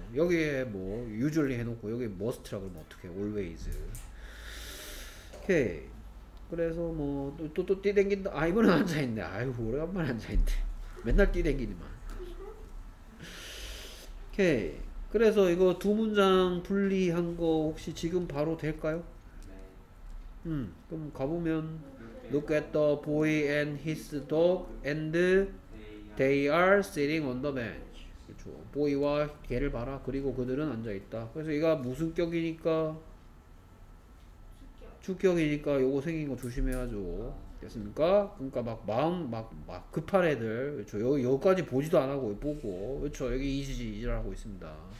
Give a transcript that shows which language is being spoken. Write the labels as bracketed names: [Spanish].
[Korean] 여기에 뭐 usually 해놓고 여기 must라 그러면 어떡해. always. 오케이. 그래서 뭐 또 띠댕긴다. 아 이번엔 앉아있네. 아유 오래간만에 앉아있네. 맨날 띠댕기니만. 오케이. 그래서 이거 두 문장 분리한 거 혹시 지금 바로 될까요? 네. 그럼 가보면 [English] Look at the boy and his dog and they are sitting on the bench. [Korean] 그렇죠. 보이와 개를 봐라. 그리고 그들은 앉아있다. 그래서 이거 무슨 격이니까 주격이니까 요거 생긴 거 조심해야죠. 됐습니까? 그러니까 막 마음 막 급한 애들. 그렇죠. 여기까지 보지도 안 하고 보고. 그렇죠. 여기 이지지지를 하고 있습니다.